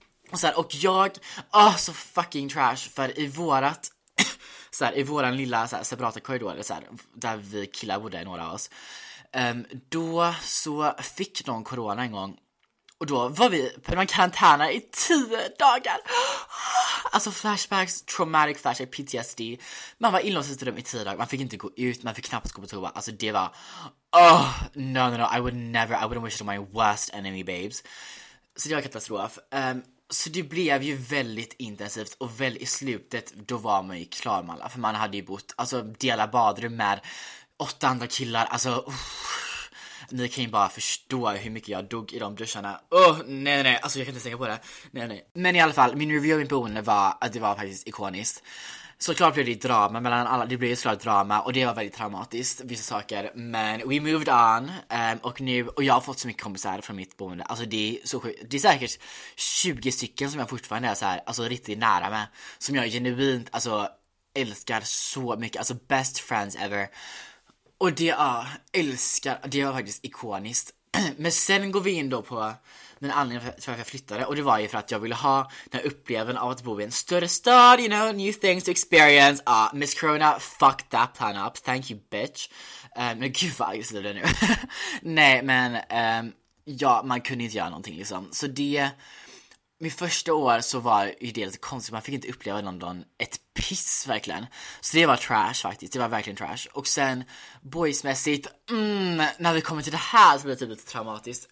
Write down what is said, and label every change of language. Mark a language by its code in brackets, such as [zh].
[sv] Och så här, och jag, så fucking trash. För i vårat, så här, i våran lilla så här, separata korridor, så här, där vi killar bodde, några av oss. Då så fick någon corona en gång. Och då var vi på en karantän i 10 dagar. Alltså flashbacks, traumatic flashback, PTSD. Man var inlåst i ett rum i 10 dagar. Man fick inte gå ut, man fick knappt gå på toa. Alltså det var, oh, no, no, no. [en] I would never, I wouldn't wish it on my worst enemy, babes. [sv] Så det var katastrof. Så det blev ju väldigt intensivt. Och väl i slutet, då var man ju klar med alla. För man hade ju bott, alltså dela badrum med 8 andra killar. Alltså, ni kan ju bara förstå hur mycket jag dog i de duscharna. Åh, nej, nej, alltså jag kan inte tänka på det. Nej, nej. Men i alla fall, min review av min boende var att det var faktiskt ikoniskt. Såklart blev det drama mellan alla. Det blev ju såklart drama och det var väldigt traumatiskt, vissa saker. Men we moved on. Och nu, och jag har fått så mycket kompisar från mitt boende. Alltså det är så sjukt. Det är säkert 20 stycken som jag fortfarande är så här, alltså riktigt nära med. Som jag genuint, alltså älskar så mycket. Alltså best friends ever. Och det jag älskar, det var faktiskt ikoniskt. Men sen går vi in då på den anledningen för att jag flyttade. Och det var ju för att jag ville ha den här upplevelsen av att bo i en större stad. [en] You know, new things to experience. Miss Corona, fuck that plan up. Thank you, bitch. [sv] Men gud vad jag slutar nu. Nej, men ja, man kunde inte göra någonting liksom. Så det, mitt första år så var ju det lite konstigt. Man fick inte uppleva London ett piss verkligen. Så det var trash faktiskt. Det var verkligen trash. Och sen boysmässigt, när vi kommer till det här så blir det typ lite traumatiskt.